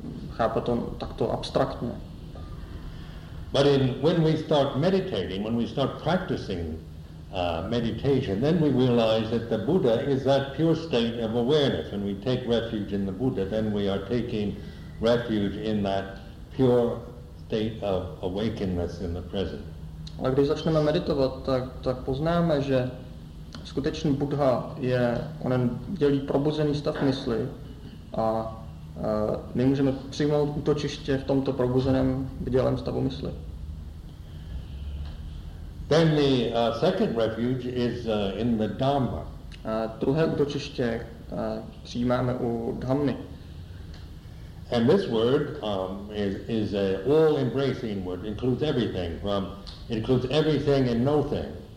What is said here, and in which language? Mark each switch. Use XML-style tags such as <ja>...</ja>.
<cs>Chápat to takto abstraktně.</cs> <en>But when we start meditating, when we start practicing meditation, then we realize that the Buddha is that pure state of awareness. When we take refuge in the Buddha, then we are taking refuge in that pure state of awakeness in the present.</en> <cs>A když začneme meditovat, tak poznáme, že skutečný Buddha je onen dělí probuzený stav mysli a my můžeme přijmout útočiště v tomto probuzeném bdělém stavu mysli.</cs> <en>Then the second refuge is in the Dhamma.</en> <cs>Druhé útočiště přijímáme u Dhammy.</cs> <en>And this word is an all-embracing word, includes everything from includes everything and nothing.</en>